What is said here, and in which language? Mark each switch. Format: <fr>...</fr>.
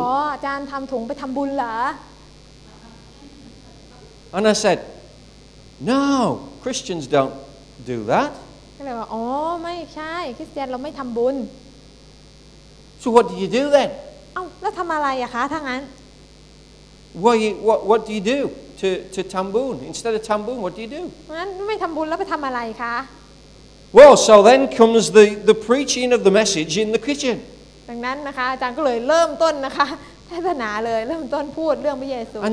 <th>อ๋ออาจารย์ทำถุงไปทำบุญเหรอ</th> <en>And I said, No, Christians don't do that.</en> <th>ก็เลยว่าอ๋อไม่ใช่คริสเตียนเราไม่ทำบุญ</th> <en>So what do you do then?</en> <th>เอ้าแล้วทำอะไรอะคะถ้างั้น</th> <en>What do you do to ทำบุญ Instead of ทำบุญ what do you do?</en> <th>งั้นไม่ทำบุญแล้วไปทำอะไรคะ</th> <en>Well, so then comes the preaching of the message in the kitchen.</en> <th>ดังนั้นนะคะอาจารย์ก็เลยเริ่มต้นนะคะเทศนาเลยเริ่มต้นพูดเรื่องพระเยซู</th>